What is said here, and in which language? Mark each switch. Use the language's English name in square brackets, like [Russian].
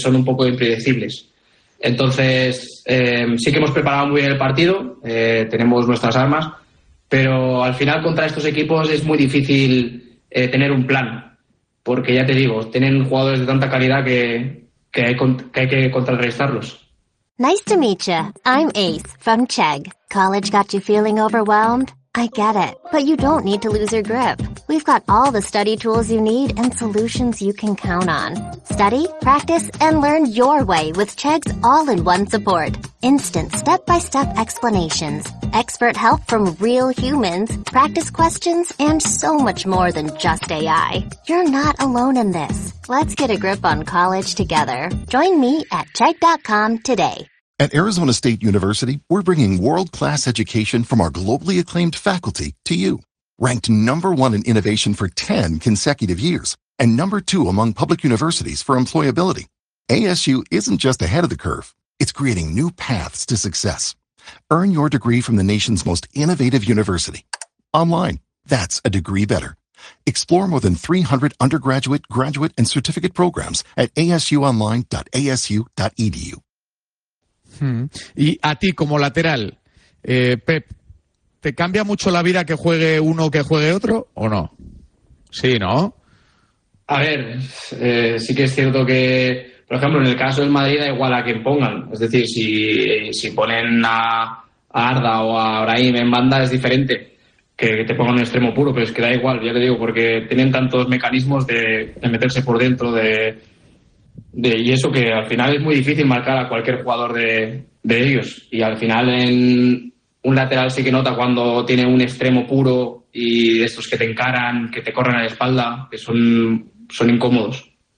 [Spanish] Son un poco impredecibles. Entonces, sí que hemos preparado muy bien el partido, tenemos nuestras armas, pero al final contra estos equipos es muy difícil tener un plan, porque ya te digo, tienen jugadores de tanta calidad que hay que contrarrestarlos. [English] Nice to meet you. I'm Ace from Chegg. College got you feeling overwhelmed? I get it, but you don't need to lose your grip. We've got all the study tools you need and solutions you can count on. Study, practice, and learn your way with Chegg's all-in-one support. Instant step-by-step explanations, expert help from real humans, practice questions, and so much more than just AI. You're not alone in this. Let's get a grip on college together. Join me at Chegg.com today. At Arizona State University, we're bringing world-class education from our globally acclaimed faculty to you. Ranked number one in innovation for 10 consecutive years, and number two among public universities for employability, ASU isn't just ahead of the curve, it's creating new paths to success. Earn your degree from the nation's most innovative university. Online, that's a degree better. Explore more than 300 undergraduate, graduate, and certificate programs at asuonline.asu.edu. [Spanish] Y a ti como lateral, Pep, ¿te cambia mucho la vida que juegue uno o que juegue otro o no? Sí, ¿no? A ver, sí que es cierto que, por ejemplo, en el caso del Madrid da igual a quien pongan. Es decir, si ponen a Arda o a Brahim en banda es diferente que te pongan un extremo puro, pero es que da igual, ya te digo, porque tienen tantos mecanismos de meterse por dentro de, y eso que al final es muy difícil marcar a cualquier jugador de ellos, y al final en un lateral sí que nota cuando tiene un extremo puro y de estos que te encaran, que te corren a la espalda, que son incómodos.